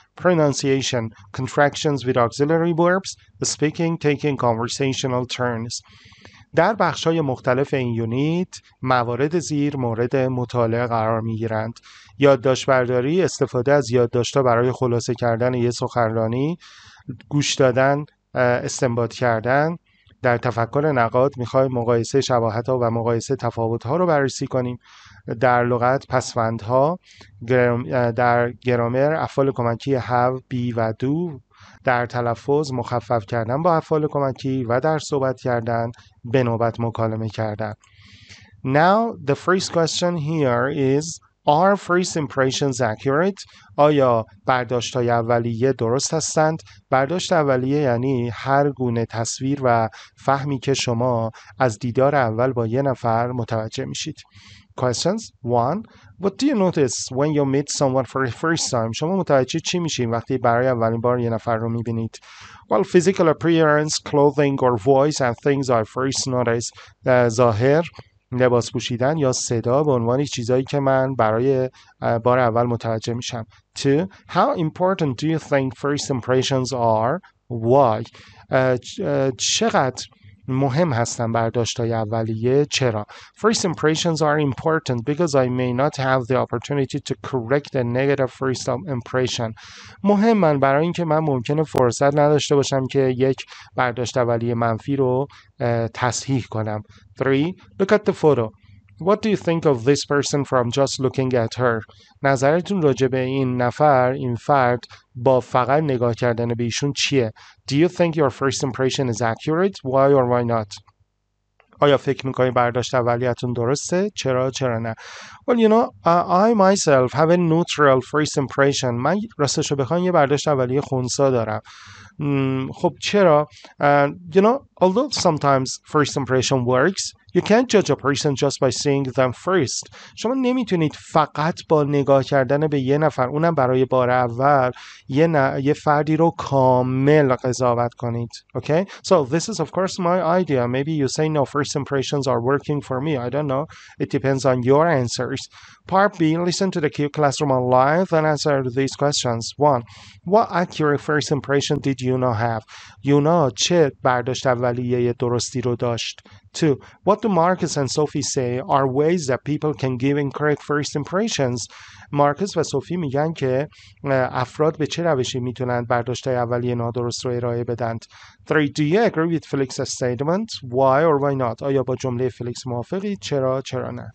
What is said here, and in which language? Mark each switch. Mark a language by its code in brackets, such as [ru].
[en] Pronunciation, contractions with auxiliary verbs, speaking, taking conversational turns. [fa] در بخش‌های مختلف این یونیت، موارد زیر مورد مطالعه قرار می‌گیرند. یادداشت برداری، استفاده از یادداشت‌ها برای خلاصه کردن یک سخنرانی، گوش دادن، استنباط کردن. در تفکر نقاد می‌خوایم مقایسه شباهت‌ها و مقایسه تفاوت‌ها رو بررسی کنیم. در لغت پسوندها، در گرامر افعال کمکی have, be و do، در تلفظ مخفف کردن با افعال کمکی و در صحبت کردن به نوبت مکالمه کردن. [en] Now the first question here is, are first impressions accurate؟ [fa] آیا برداشت های اولیه درست هستند؟ برداشت اولیه یعنی هر گونه تصویر و فهمی که شما از دیدار اول با یه نفر متوجه میشید. [en] Questions 1. What do you notice when you meet someone for the first time? [fa] شما متوجه چی میشین وقتی برای اولین بار یه نفر رو میبینید؟ [en] Well, physical appearance, clothing or voice and things I first notice. [fa] ظاهر، لباس پوشیدن یا صدا به عنوان چیزایی که من برای بار اول متوجه میشم. [en] 2. How important do you think first impressions are? Why? [fa] چقدر مهم هستن برداشت‌های اولیه؟ چرا؟ [en] First impressions are important because I may not have the opportunity to correct a negative first impression. [fa] مهمن برای اینکه من ممکنه فرصت نداشته باشم که یک برداشت اولیه منفی رو تصحیح کنم. [en] 3. Look at the photo. What do you think of this person from just looking at her? [fa] نظرتون راجع به این نفر، این فرد، با فقط نگاه کردن به ایشون چیه؟ [en] Do you think your first impression is accurate? Why or why not? [fa] آیا فکر میکنی برداشت اولیه‌تون درسته؟ چرا؟ چرا نه؟ [en] Well, you know, I myself have a neutral first impression. [fa] من راستشو بخوام یه برداشت اولیه خونسا دارم. خب چرا؟ [en] You know, although sometimes first impression works, you can't judge a person just by seeing them first. [fa] شما نمیتونید فقط با نگاه کردن به یه نفر، اونم برای بار اول، یه فردی رو کامل قضاوت کنید. [en] Okay? So this is of course my idea. Maybe you say no, first impressions are working for me. I don't know. It depends on your answers. Part B, listen to the Q classroom online and answer these questions. 1. What accurate first impression did Yuna have? [fa] Yuna چه برداشت اولیه درستی رو داشت؟ 2. [en] What do Marcus and Sophie say are ways that people can give incorrect first impressions? [fa] مارکوس و سوفی میگن که افراد به چه روشی میتونند برداشت‌های اولیه نادرست رو ارائه بدن. [en] 3. Do you agree with Felix's statement? Why or why not? [fa] آیا با جمله فلیکس موافقی؟ چرا؟ چرا نه؟